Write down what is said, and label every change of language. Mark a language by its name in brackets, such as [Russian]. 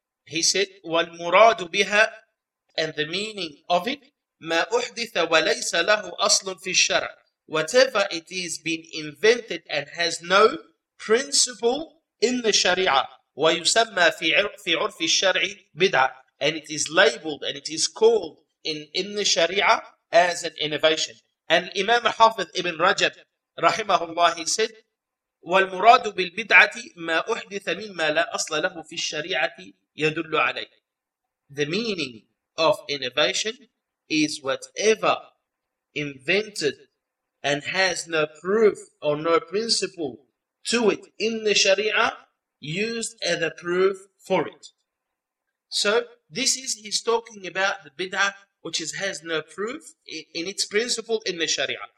[English] He said, [Arabic] وَالْمُرَادُ بِهَا, [English] and the meaning of it, [Arabic] مَا أُحْدِثَ وَلَيْسَ لَهُ أَصْلٌ فِي الشَّرْعِ, [English] whatever it is been invented and has no principle in the Sharia, [Arabic] وَيُسَمَّى فِي عُرْفِ الشَّرْعِ بِدْعَةٍ, [English] and it is labeled and it is called in the Sharia as an innovation. And Imam Hafiz Ibn Rajab, rahimahullah, he said, [Arabic] وَالْمُرَادُ بِالْبِدْعَةِ مَا أُحْدِثَ مِمَّا لَا أَصْلَ لَهُ فِي الشَّرِيعَةِ يَدُلُّ عَلَيْهِ. [English] The meaning of innovation is whatever invented and has no proof or no principle to it in the Sharia, used as a proof for it. So this is, he's talking about the bid'ah which has no proof in its principle in the Sharia.